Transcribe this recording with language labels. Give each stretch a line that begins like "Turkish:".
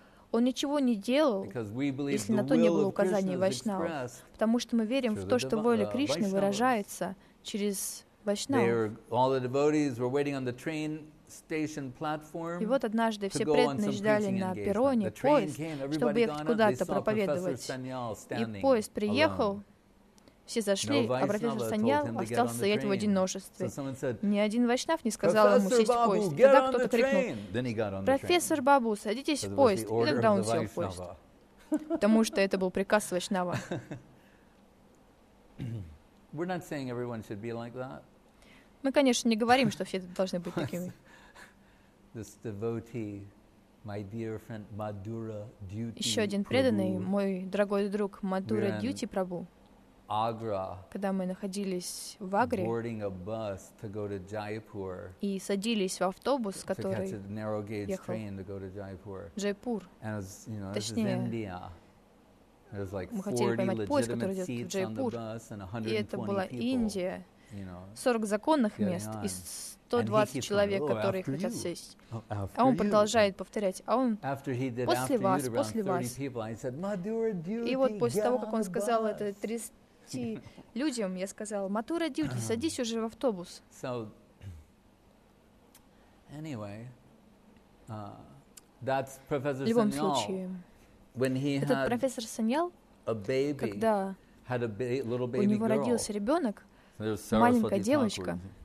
Russian: он ничего не делал, если на то не было указаний Вайшнава, потому что мы верим в то, что воля Кришны выражается через
English: All the devotees were waiting on the train station platform to go on some preaching engagement. The train came, everybody got on, they saw Professor Sanyal standing alone.
Russian: Поезд приехал, все зашли, а профессор Саньял остался стоять в одиночестве. Ни один вайшнав не сказал ему сесть в поезд. Тогда кто-то крикнул, профессор Бабу, садитесь в поезд. И тогда он сел в поезд, потому что это был приказ вайшнава.
English: We're not saying everyone should be like that.
Russian: Мы, конечно, не говорим, что все должны быть такими.
English: This devotee, my dear friend, Madhura Duty.
Russian: Еще один преданный, мой дорогой друг, Madhura Duty Prabhu.
English: Agra.
Russian: Когда мы находились в Агре.
English: Boarding a bus to go to Jaipur.
Russian: И садились в автобус, который ехал.
English: To catch a narrow gauge train to go to Jaipur.
Russian: Джайпур.
English: And as you know, this is India. It was like 40 legitimate seats on the bus and 120 people.
Russian: Индия,
English: you know,
Russian: 40 законных мест и 120 человек, которые хотят сесть. А он продолжает повторять, а он после вас, после вас. И вот после того, как он сказал это 30 людям, я сказал, Madhura Duty, садись уже в автобус.
English: So, anyway, that's Professor
Russian: В любом случае,
English: When he
Russian: Этот профессор Саньял, когда
English: had a little baby
Russian: у него родился ребенок, маленькая девочка,